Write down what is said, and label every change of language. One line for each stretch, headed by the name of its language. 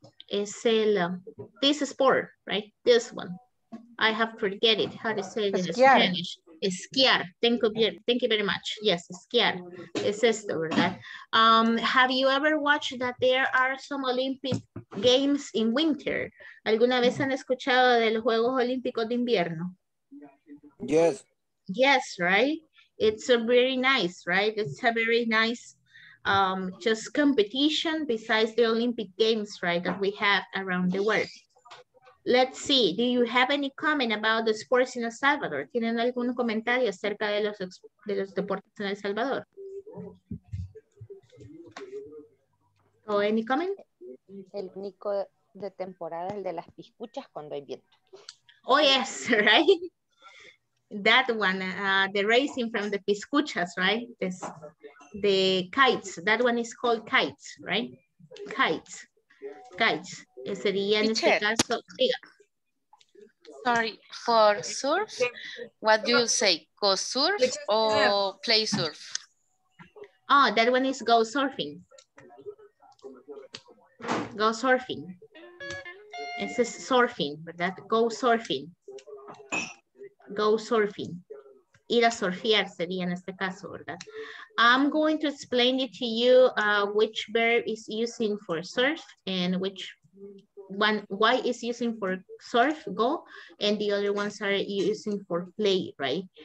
Spanish: Es el,
English: this sport, right? This one. I have forget it, how to say it in Spanish. Esquiar, thank you very much. Yes, esquiar,
Spanish: es esto, ¿verdad?
English: Have you ever watched that there are some Olympic games in winter?
Spanish: ¿Alguna vez han escuchado de los Juegos Olímpicos de invierno?
English: Yes. Yes, right? It's a very nice, right? It's a very nice just competition besides the Olympic games, right, that we have around the world. Let's see, do you have any comment about the sports in El Salvador?
Spanish: ¿Tienen algún comentario acerca de los deportes en El Salvador?
English: ¿O any comment?
Spanish: El único de temporada es el de las piscuchas cuando hay viento.
English: Oh, yes, right? That one, the racing from the piscuchas, right? This, the kites, that one is called kites, right? Kites. Guys,
Spanish: sería en este caso,
English: sorry, for surf, what do you say? Go surf or play surf? Oh, that one is go surfing. Go surfing. It's surfing, ¿verdad? Go surfing. Go surfing.
Spanish: Ir a surfear sería en este caso, ¿verdad?
English: I'm going to explain it to you which verb is using for surf and which one, why is using for surf, go, and the other ones are using for play, right?